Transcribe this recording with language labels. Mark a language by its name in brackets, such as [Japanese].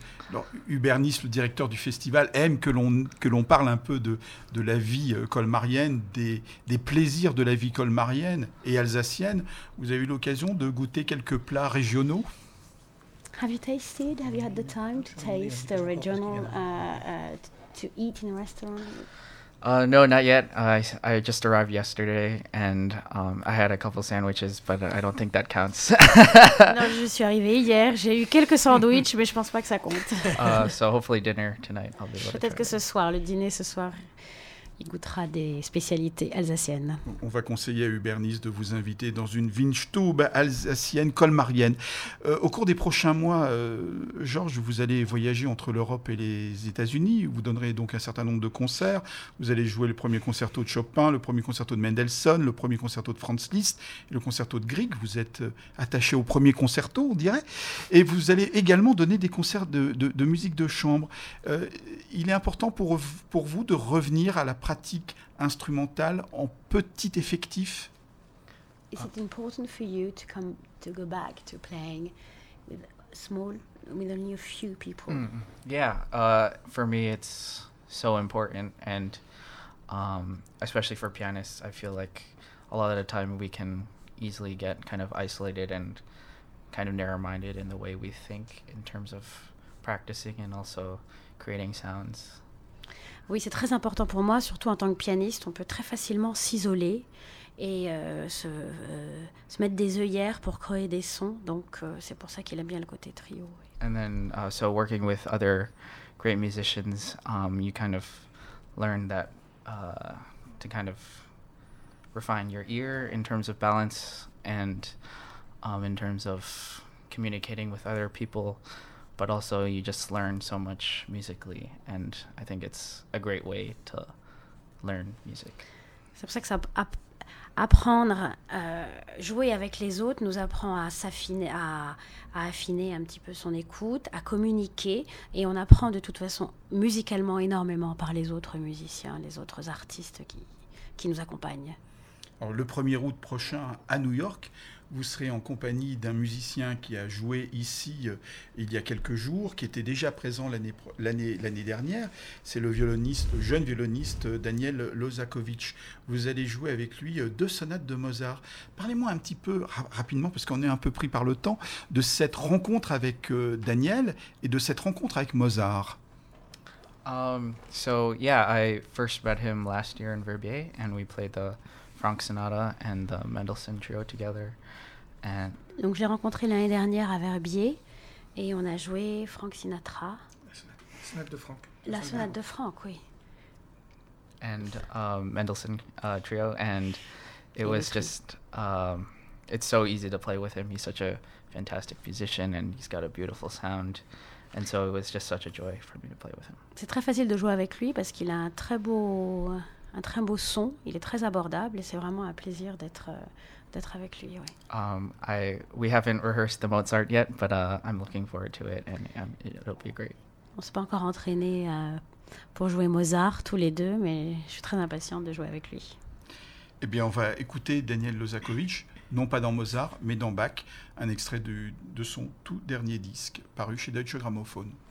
[French] Alors, Hubert Nice, le directeur du festival, aime que l'on parle un peu de la vie colmarienne, des plaisirs de la vie colmarienne et alsacienne. Vous avez eu l'occasion de goûter quelques plats régionaux? [English] Have you tasted? Have you had the time to taste the regional to eat in a restaurant? No, not yet. I just arrived yesterday, and I had a couple sandwiches, but I don't think that counts. [French] Non, je suis arrivée hier. J'ai eu quelques sandwichs, mais je pense pas que ça compte. [English] So hopefully dinner tonight. I'll be able [French] Peut-être [English] to que it. [French] Ce soir, le dîner ce soir, il goûtera des spécialités alsaciennes. On va conseiller à Hubert Nice de vous inviter dans une Wienstube alsacienne colmarienne. Au cours des prochains mois, Georges, vous allez voyager entre l'Europe et les États-Unis. Vous donnerez donc un certain nombre de concerts. Vous allez jouer le premier concerto de Chopin, le premier concerto de Mendelssohn, le premier concerto de Franz Liszt, et le concerto de Grieg. Vous êtes attaché au premier concerto, on dirait. Et vous allez également donner des concerts de musique de chambre. Il est important pour vous de revenir à la pratique instrumentale en petit effectif. [English] Is it important for you to come to go back to playing with small, with only a few people? Mm, yeah, for me it's so important, and especially for pianists, I feel like a lot of the time we can easily get kind of isolated and kind of narrow-minded in the way we think in terms of practicing and also creating sounds. [French] Oui, c'est très important pour moi, surtout en tant que pianiste. On peut très facilement s'isoler et se mettre des œillères pour créer des sons. Donc, c'est pour ça qu'il aime bien le côté trio. [English] And then, so working with other great musicians, you kind of learn that to kind of refine your ear in terms of balance, and In terms of communicating with other people, but also you just learn so much musically, and I think it's a great way to learn music. [French] C'est pour ça que ça apprendre jouer avec les autres nous apprend à s'affiner, à affiner un petit peu son écoute, à communiquer, et on apprend de toute façon musicalement énormément par les autres musiciens, les autres artistes qui nous accompagnent. Alors, le 1er août prochain à New York, vous serez en compagnie d'un musicien qui a joué ici il y a quelques jours, qui était déjà présent l'année dernière. C'est le jeune violoniste Daniel Lozakovic. Vous allez jouer avec lui deux sonates de Mozart. Parlez-moi un petit peu, rapidement, parce qu'on est un peu pris par le temps, de cette rencontre avec Daniel et de cette rencontre avec Mozart. [English] I first met him last year in Verbier, and we played the Franck Sonata and the Mendelssohn Trio together. And [French] donc je l'ai rencontré l'année dernière à Verbier et on a joué Franck Sinatra. La sonate de Franck, oui. [English] And Mendelssohn Trio, and it was just, it's so easy to play with him. He's such a fantastic musician and he's got a beautiful sound. And so it was just such a joy for me to play with him. [French] C'est très facile de jouer avec lui parce qu'il a un très beau son, il est très abordable et c'est vraiment un plaisir d'être avec lui. Oui. [English] We haven't rehearsed the Mozart yet, but I'm looking forward to it and it'll be great. [French] On s'est pas encore entraîné pour jouer Mozart tous les deux, mais je suis très impatiente de jouer avec lui. Eh bien, on va écouter Daniel Lozakovic, non pas dans Mozart, mais dans Bach, un extrait de son tout dernier disque paru chez Deutsche Grammophon.